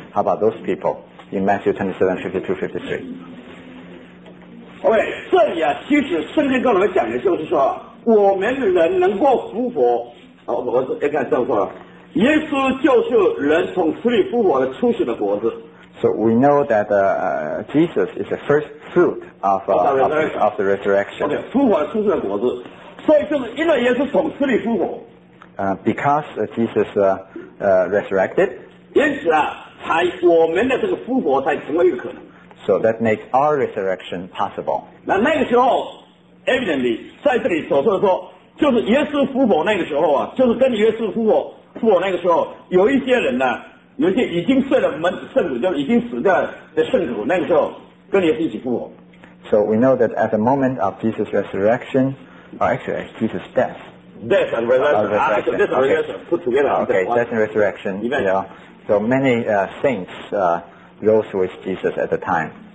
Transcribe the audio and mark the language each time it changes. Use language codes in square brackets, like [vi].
[en] How about those people in Matthew 27, 52, 53？ [zh] OK， 这里啊，其实圣经跟我们讲的就是说，我们人能够复活。我一看这样说了，耶稣就是人从死里复活的初始的果子。 [en] So we know that Jesus is the first fruit of the resurrection. [zh] Okay, 复活出世的果子，所以就是因为耶稣从死里复活。 [en] Because Jesus resurrected. [zh] 因此啊，才我们的这个复活才成为一个可能。 [en] So that makes our resurrection possible. [zh] 那个时候 ，evidently 在这里所说的说，就是耶稣复活那个时候啊，就是跟耶稣复活那个时候，有一些人呢。有些已经睡了门圣徒，就已经死掉的圣徒，那个时候跟耶稣一起复活。 [en] So we know that at the moment of Jesus' resurrection, or actually Jesus' death, death and resurrection, put together. Okay, death and resurrection. Yeah. So many saints rose with Jesus at the time.